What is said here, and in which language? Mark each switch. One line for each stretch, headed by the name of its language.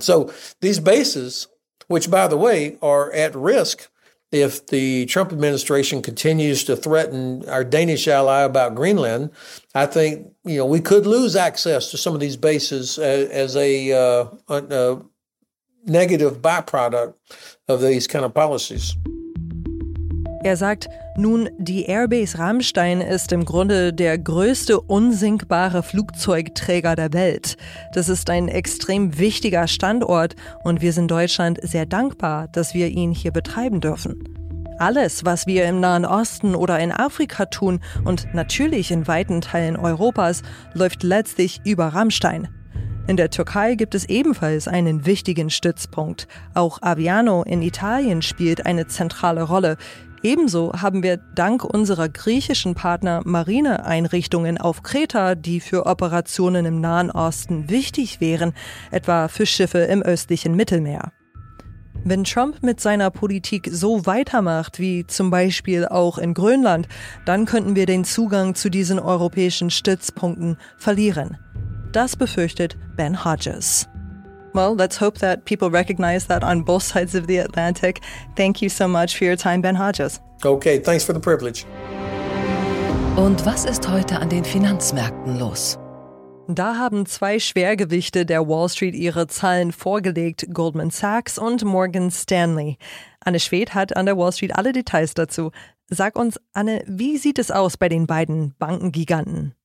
English: So these bases, which, by the way, are at risk if the Trump administration continues to threaten our Danish ally about Greenland, I think, you know, we could lose access to some of these bases as a negative byproduct of these kind of policies.
German: Er sagt, nun, die Airbase Ramstein ist im Grunde der größte unsinkbare Flugzeugträger der Welt. Das ist ein extrem wichtiger Standort und wir sind Deutschland sehr dankbar, dass wir ihn hier betreiben dürfen. Alles, was wir im Nahen Osten oder in Afrika tun und natürlich in weiten Teilen Europas, läuft letztlich über Ramstein. In der Türkei gibt es ebenfalls einen wichtigen Stützpunkt. Auch Aviano in Italien spielt eine zentrale Rolle. Ebenso haben wir dank unserer griechischen Partner Marineeinrichtungen auf Kreta, die für Operationen im Nahen Osten wichtig wären, etwa für Schiffe im östlichen Mittelmeer. Wenn Trump mit seiner Politik so weitermacht, wie zum Beispiel auch in Grönland, dann könnten wir den Zugang zu diesen europäischen Stützpunkten verlieren. Das befürchtet Ben Hodges.
English: Well, let's hope that people recognize that on both sides of the Atlantic. Thank you so much for your time, Ben Hodges. Okay, thanks for the privilege.
German: Und was ist heute an den Finanzmärkten los? Da haben zwei Schwergewichte der Wall Street ihre Zahlen vorgelegt, Goldman Sachs und Morgan Stanley. Anne Schwedt hat an der Wall Street alle Details dazu. Sag uns, Anne, wie sieht es aus bei den beiden Bankengiganten?